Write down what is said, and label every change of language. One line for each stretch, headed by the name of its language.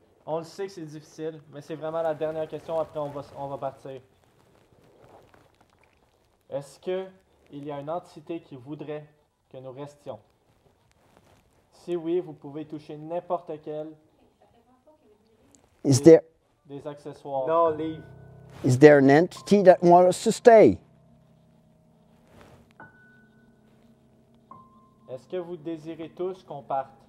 French: On le sait que c'est difficile, mais c'est vraiment la dernière question, après on va partir. Est-ce que il y a une entité qui voudrait que nous restions? Si oui, vous pouvez toucher n'importe quel des accessoires.
English: No, leave. Is there an entity that wants us to stay?
French: Est-ce que vous désirez tous qu'on parte?